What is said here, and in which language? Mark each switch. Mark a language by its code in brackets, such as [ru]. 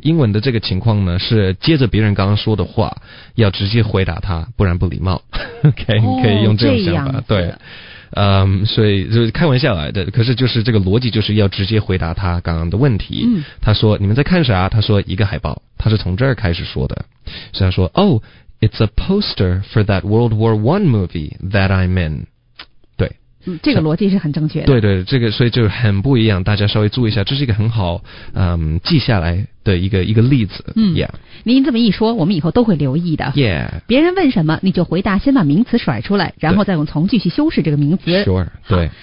[zh] 英文的这个情况呢，是接着别人刚刚说的话，要直接回答他，不然不礼貌。 OK，、哦、你可以用这种想法，对。所以就开玩笑来的，可是就是这个逻辑就是要直接回答他刚刚的问题。他说你们在看啥？他说一个海报，他是从这儿开始说的。所以他说 [en] Oh, it's a poster for that World War One movie that I'm in。 [zh] 这个逻辑是很正确的。对对，这个所以就很不一样，大家稍微注意一下，这是一个很好记下来的一个例子。您这么一说，我们以后都会留意的。 [en] Yeah. [zh] 别人问什么，你就回答，先把名词甩出来，然后再用从句去修饰这个名词。 [en] Sure. [zh] 对。